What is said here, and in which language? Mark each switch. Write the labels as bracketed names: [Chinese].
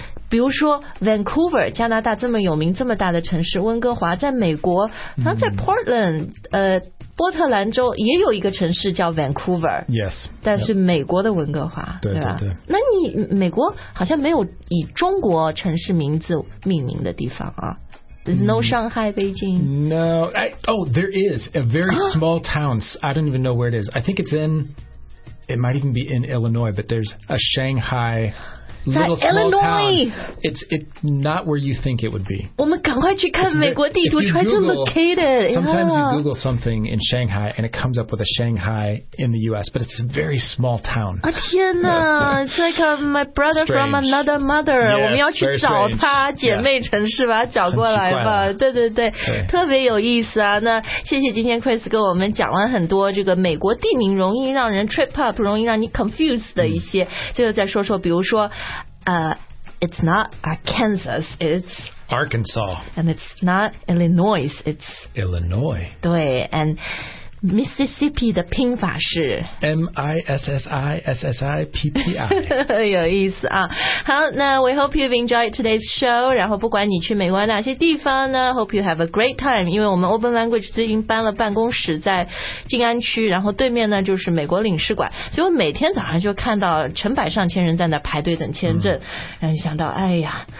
[Chinese] 比如说 Vancouver 加拿大这么有名这么大的城市，温哥华在美国，然后在 Portland、mm-hmm. 波特兰州也有一个城市叫 Vancouver， [English] yes， [Chinese] 但是美国的温哥华、yep. 对吧？对对对，那你美国好像没有以中国城市名字命名的地方啊。 [English] There's no Shanghai, Beijing. No. There is a very small town. I don't even know where it is. I think it's in, it might even be in Illinois, but there's a Shanghai little small Illinois? town. It's not where you think it would be. [Chinese] 我们赶快去看美国地图 [English] try to locate it. Sometimes you Google something in Shanghai and it comes up with a Shanghai in the U.S., but it's a very small town. [Chinese] 啊天哪 [English] it's like my brother、 strange. from another mother. Yes, [Chinese] 我们要去找他姐妹城市把他找过来吧、 [English] yeah. [Chinese] 对对 对特别有意思啊。那谢谢今天 Chris 跟我们讲完很多这个美国地名容易让人 [English] trip up, [Chinese] 容易让你 confuse 的一些、最后再说说比如说 [English] it's not Arkansas, it's Arkansas. And it's not Illinois, it's Illinois. [Chinese] 对 and Mississippi 的拼法是 [English] M-I-S-S-I-S-S-I-P-P-I [Chinese] 有意思啊。好，那 [English] we hope you've enjoyed today's show, [Chinese] 然后不管你去美国哪些地方呢 [English] hope you have a great time, [Chinese] 因为我们 Open Language 最近搬了办公室在静安区，然后对面呢就是美国领事馆，所以我每天早上就看到成百上千人在那排队等签证、然后想到哎呀